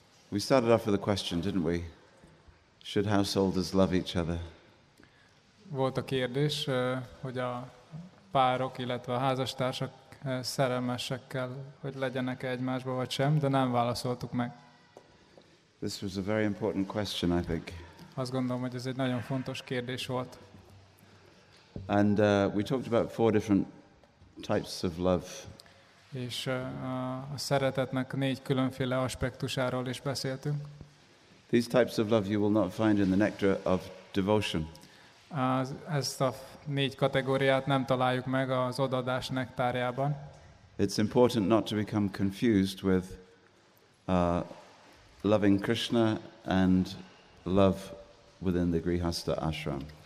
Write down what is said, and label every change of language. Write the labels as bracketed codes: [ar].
[en] We started off with a question, didn't we? Should householders love each other? [hu] Volt a kérdés, hogy a párok, illetve a házastársak szerelmesekkel, hogy legyenek-e egymásba vagy sem, de nem válaszoltuk meg. [en] This was a very important question, I think. [hu] Azt gondolom, hogy ez egy nagyon fontos kérdés volt. [en] And we talked about four different types of love. [hu] És a szeretetnek négy különféle aspektusáról is beszéltünk. [en] These types of love you will not find in the nectar of devotion. [hu] Ezt a négy kategóriát nem találjuk meg az odaadás nektárjában. [en] It's important not to become confused with loving Krishna and love within the Grihastha ashram.